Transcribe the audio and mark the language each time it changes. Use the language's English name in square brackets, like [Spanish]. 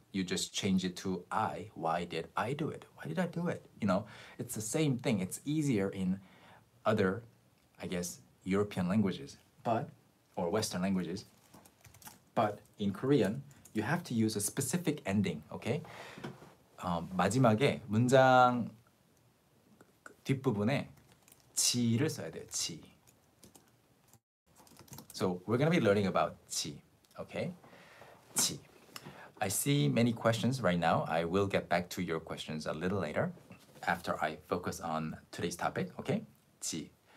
[English] You just change it to I. Why did I do it? Why did I do it? You know, it's the same thing. It's easier in other, I guess, European languages, or Western languages. But in Korean, you have to use a specific ending, okay? [Korean] 마지막에 문장 뒷부분에 지를 써야 돼요, 지. [English] So we're going to be learning about 지, okay? 지. I see many questions right now. I will get back to your questions a little later after I focus on today's topic, okay? 지.